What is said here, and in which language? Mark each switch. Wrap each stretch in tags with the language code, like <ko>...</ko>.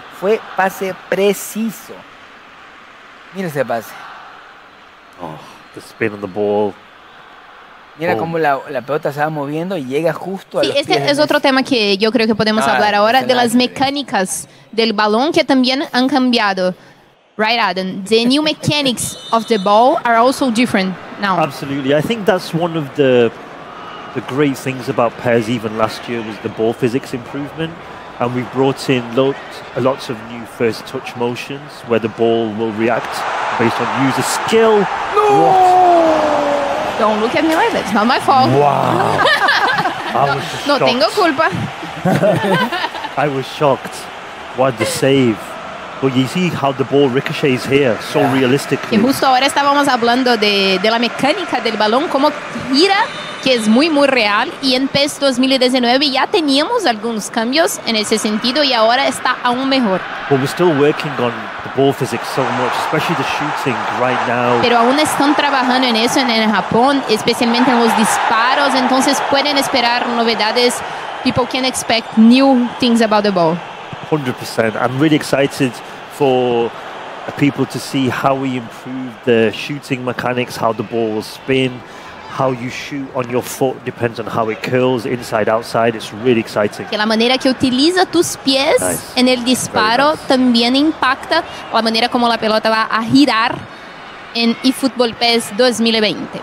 <es>Fue pase preciso. Mira ese pase.</es> <en>Oh, the spin on the ball.</en> <es>Mira cómo la pelota se va moviendo y llega justo a los pies. Sí, este es otro tema que yo creo que podemos hablar ahora, de las mecánicas del balón que también han cambiado.</es> <en>Right, Adam? The new mechanics of the ball are also different now. Absolutely. I think that's one of the great things about PES even last year was the ball physics improvement. And we've brought in lots of new first touch motions where the ball will react based on user skill. No! Don't look at me like that. It's not my fault. Wow. I was shocked.</en> <es>No tengo culpa.</es> <en>I was shocked. What the save. But you see how the ball ricochets here. So realistically.</en> <es>Y justo ahora estábamos hablando de la mecánica del balón, cómo gira, que es muy, muy real. Y en PES 2019 ya teníamos algunos cambios en ese sentido y ahora está aún mejor.</es> <en>But we're still working on ball physics so much, especially the shooting right now.</en> <es>Pero aún están trabajando en eso en Japón, especialmente en los disparos, entonces pueden esperar novedades.</es> <en>People can expect new things about the ball. 100%. I'm really excited for people to see how we improve the shooting mechanics, how the ball will spin, how you shoot on your foot depends on how it curls inside, outside. It's really exciting.</en> <es>Que la manera que utiliza tus pies</es> <en>nice.</en> <es>En el disparo</es> <en>nice.</en> <es>También impacta la manera como la pelota va a girar en eFootball PES 2020.</es>